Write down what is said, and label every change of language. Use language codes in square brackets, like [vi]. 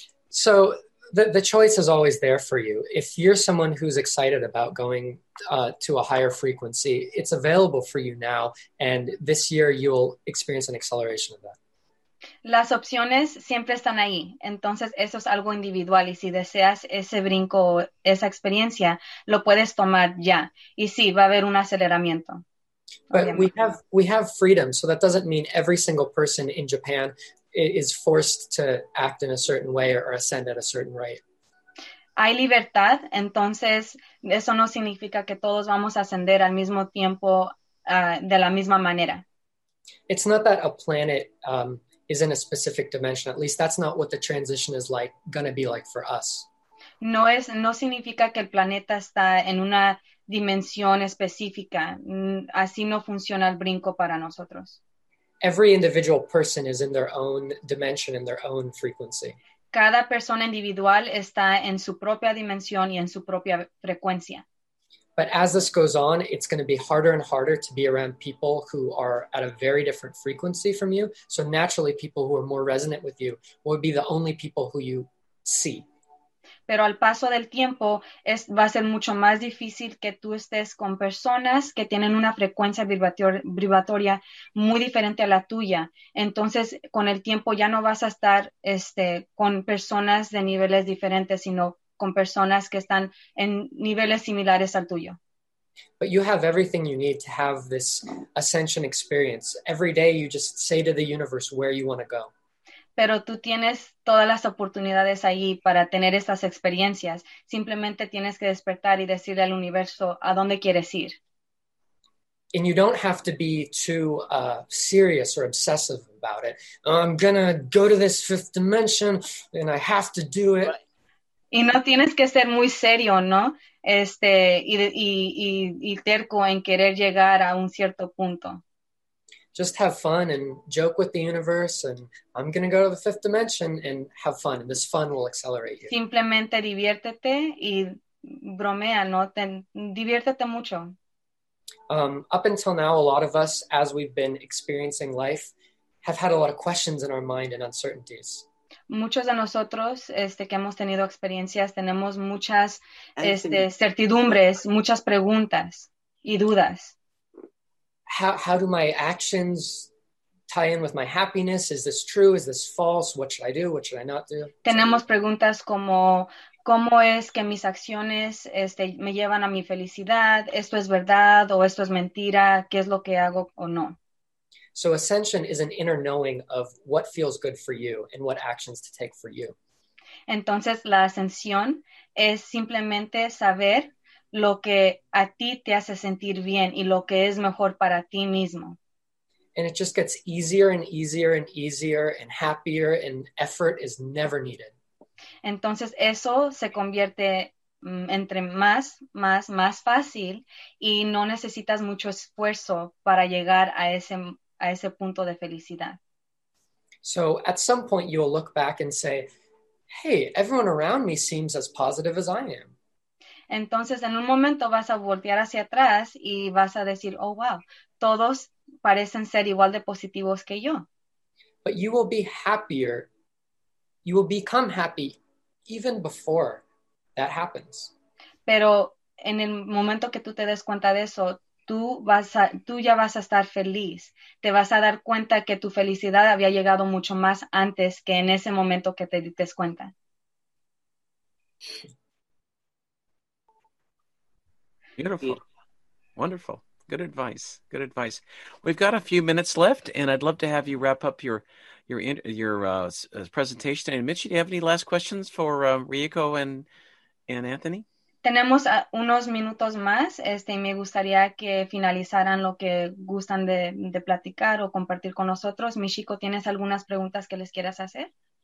[en] So the choice is always there for you. If you're someone who's excited about going to a higher frequency, it's available for you now, and this year you'll experience an acceleration of that. [es] Las opciones siempre están ahí. Entonces, eso es algo individual. Y si deseas ese brinco, esa experiencia, lo puedes tomar ya. Y sí, va a haber un aceleramiento. [en] But we have freedom. So that doesn't mean every single person in Japan is forced to act in a certain way or ascend at a certain rate. [es] Hay libertad. Entonces, eso no significa que todos vamos a ascender al mismo tiempo de la misma manera. [en] It's not that a planet... is in a specific dimension. At least that's not what the transition is like going to be like for us. [es] No es, no significa que el planeta está en una dimensión específica. Así no funciona el brinco para nosotros. [en] Every individual person is in their own dimension, in their own frequency. [es] Cada persona individual está en su propia dimensión y en su propia frecuencia. [en] But as this goes on, it's going to be harder and harder to be around people who are at a very different frequency from you. So naturally, people who are more resonant with you will be the only people who you see. [es] Pero al paso del tiempo, va a ser mucho más difícil que tú estés con personas que tienen una frecuencia vibratoria muy diferente a la tuya. Entonces, con el tiempo ya no vas a estar con personas de niveles diferentes, sino con personas que están en niveles similares al tuyo. [en] But you have everything you need to have this ascension experience. Every day you just say to the universe where you want to go. [es] Pero tú tienes todas las oportunidades ahí para tener estas experiencias. Simplemente tienes que despertar y decirle al universo a dónde quieres ir. [en] And you don't have to be too serious or obsessive about it. I'm going to go to this fifth dimension and I have to do it. Right. [es] Y no tienes que ser muy serio, ¿no? Y terco en querer llegar a un cierto punto. [en] Just have fun and joke with the universe and I'm going to go to the fifth dimension and have fun and this fun will accelerate you. [es] Simplemente diviértete y bromea, ¿no? Diviértete mucho. [en] Up until now, a lot of us, as we've been experiencing life, have had a lot of questions in our mind and uncertainties. [es] Muchos de nosotros que hemos tenido experiencias tenemos muchas certidumbres, muchas preguntas y dudas. [en] How do my actions tie in with my happiness? Is this true? Is this false? What should I do? What should I not do? [es] Tenemos preguntas como, ¿cómo es que mis acciones me llevan a mi felicidad? ¿Esto es verdad o esto es mentira? ¿Qué es lo que hago o no? [en] So ascension is an inner knowing of what feels good for you and what actions to take for you. [es] Entonces, la ascensión es simplemente saber lo que a ti te hace sentir bien y lo que es mejor para ti mismo. [en] And it just gets easier and easier and easier and happier, and effort is never needed. [es] Entonces, eso se convierte entre más fácil y no necesitas mucho esfuerzo para llegar a ese punto de felicidad. [en] So at some point you will look back and say, hey, everyone around me seems as positive as I am. [es] Entonces en un momento vas a voltear hacia atrás y vas a decir, oh wow, todos parecen ser igual de positivos que yo. [en] But you will be happier, you will become happy even before that happens. [es] Pero en el momento que tú te des cuenta de eso, tú ya vas a estar feliz. Te vas a dar cuenta que tu felicidad había llegado mucho más antes que en ese momento que te dites cuenta. [en] Beautiful. Yeah. Wonderful. Good advice. Good advice. We've got a few minutes left, and I'd love to have you wrap up your presentation. And Mitchie, do you have any last questions for Ryuko and Anthony? [es] Tenemos unos minutos más, y me gustaría que finalizaran lo que gustan de platicar o compartir con nosotros. Michiko, ¿tienes algunas preguntas que les quieras hacer?